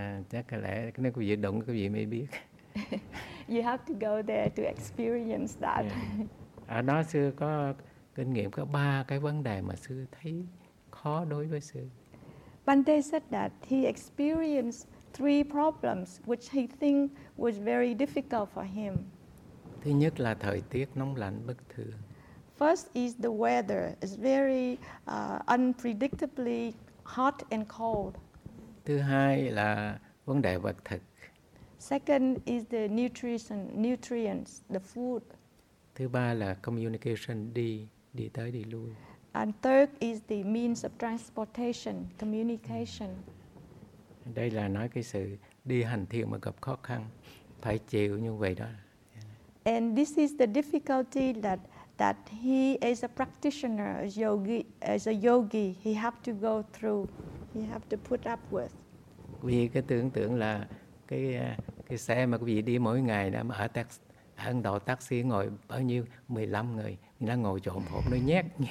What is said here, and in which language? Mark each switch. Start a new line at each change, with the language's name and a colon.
Vietnamese: Chắc có lẽ nếu quý vị động quý vị mới biết.
English: You have to go there to experience that.
Vietnamese: Yeah. Ở đó sư có kinh nghiệm có ba cái vấn đề mà sư thấy khó đối với sư.
English: Bhante said that he experienced three problems which he think was very difficult for him.
Vietnamese: Thứ nhất là thời tiết nóng lạnh bất thường.
English: First is the weather. It's very unpredictably hot and cold.
Vietnamese: Thứ hai là vấn đề vật thực.
English: Second is the nutrients, the food.
Vietnamese: Thứ ba là communication, đi tới đi lui.
English: And third is the means of transportation, communication.
Vietnamese: Đây là nói cái sự đi hành thiền mà gặp khó khăn, phải chịu như vậy đó.
English: And this is the difficulty that he is a practitioner, as a yogi, he have to go through, he have to put up with.
Vietnamese: Vì cái tưởng tượng là cái xe mà quý vị đi mỗi ngày đó, mà ở Ấn Độ taxi ngồi bao nhiêu 15 người, nó ngồi trộm hộp, nó nhét.